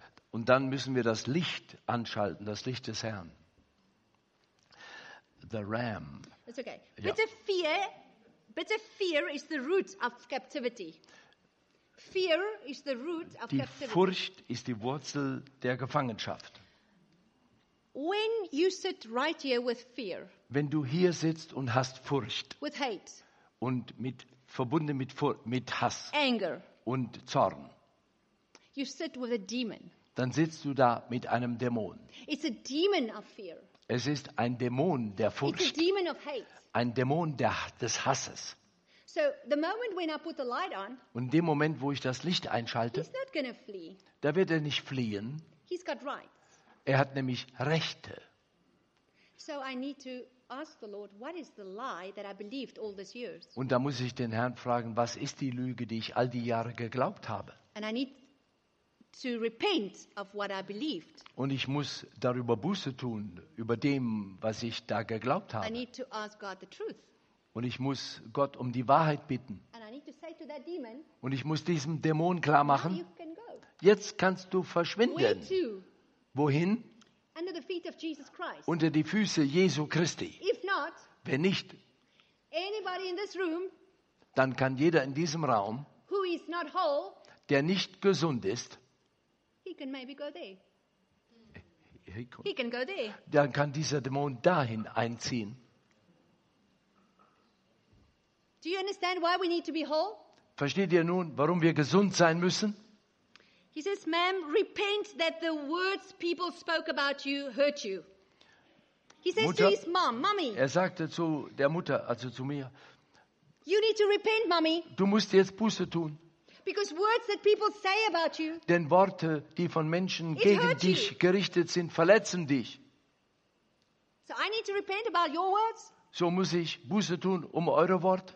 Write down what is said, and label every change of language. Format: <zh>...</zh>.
<de>Und dann müssen wir das Licht anschalten, das Licht des Herrn.</de> <en>The ram. It's okay.</en> <de>Ja.</de> <en>Bitter fear is the root of captivity. Fear is the root of</en> <de>die</de> <en>captivity.</en> <de>Die Furcht ist die Wurzel der Gefangenschaft.</de> <en>When you sit right here with fear.</en> <de>Wenn du hier sitzt und hast Furcht.</de> <en>With hate.</en> <de>Und mit verbunden mit Hass.</de> <en>Anger.</en> <de>Und Zorn.</de> <en>You sit with a demon.</en> <de>Dann sitzt du da mit einem Dämon.</de> <en>It's a demon of fear.</en> <de>Es ist ein Dämon der Furcht.</de> <en>It's a demon of hate.</en> <de>Ein Dämon des Hasses.</de> <en>So the moment when I put the light on,</en> <de>und in dem Moment, wo ich das Licht einschalte,</de> <en>he's not gonna flee.</en> <de>Da wird er nicht fliehen.</de> <en>He's got rights.</en> <de>Er hat nämlich Rechte.</de> <en>So I need to ask the Lord, what is the lie that I believed all these years?</en> <de>Und da muss ich den Herrn fragen, was ist die Lüge, die ich all die Jahre geglaubt habe?</de> <en>And I need to repent of what I believed.</en> <de>Und ich muss darüber Buße tun, über dem, was ich da geglaubt habe.</de> <en>I need to ask God the truth.</en> <de>Und ich muss Gott um die Wahrheit bitten.</de> <en>And I need to say to that demon,</en> <de>und ich muss diesem Dämon klar machen,</de> <en>you can go.</en> <de>Jetzt kannst du verschwinden.</de> <en>Where to?</en> <de>Wohin?</de> <en>Under the feet of Jesus Christ.</en> <de>Unter die Füße Jesu Christi.</de> <en>If not,</en> <de>wenn nicht,</de> <en>anybody in this room,</en> <de>dann kann jeder in diesem Raum,</de> <en>who is not whole,</en> <de>der nicht gesund ist,</de> <en>he can maybe go there. He can go there.</en> <de>Dann kann dieser Dämon dahin einziehen.</de> <en>Do you understand why we need to be whole?</en> <de>Versteht ihr nun, warum wir gesund sein müssen?</de> <en>He says, "Ma'am, repent that the words people spoke about you hurt you." He says</en> <de>Mutter,</de> <en>to his mom, "Mommy."</en> <de>Er sagte zu der Mutter, also zu mir.</de> <en>You need to repent, Mommy.</en> <de>Du musst jetzt Buße tun.</de> <en>Because words that people say about you,</en> <de>denn Worte, die von Menschen gegen dich gerichtet sind, verletzen dich.</de> <en>So I need to repent about your words?</en> <de>So muss ich Buße tun um eure Worte.</de>